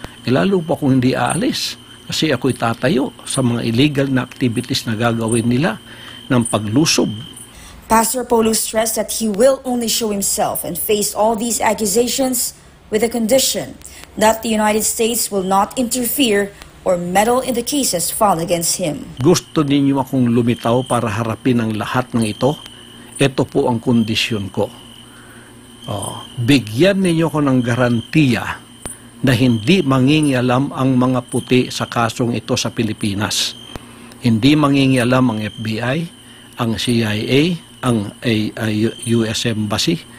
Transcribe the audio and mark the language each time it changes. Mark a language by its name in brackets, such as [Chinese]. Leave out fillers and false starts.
[Filipino] Lalo pa kung hindi aalis kasi ako'y tatayo sa mga illegal na activities na gagawin nila ng paglusob. [English] Pastor Polo stressed that he will only show himself and face all these accusations with a condition that the United States will not interfere or meddle in the cases filed against him. [Filipino] Gusto ninyo akong lumitaw para harapin ang lahat ng ito? Ito po ang kondisyon ko. Bigyan ninyo ko ng garantiya na hindi mangingialam ang mga puti sa kasong ito sa Pilipinas. Hindi mangingialam ang FBI, ang CIA, ang US Embassy.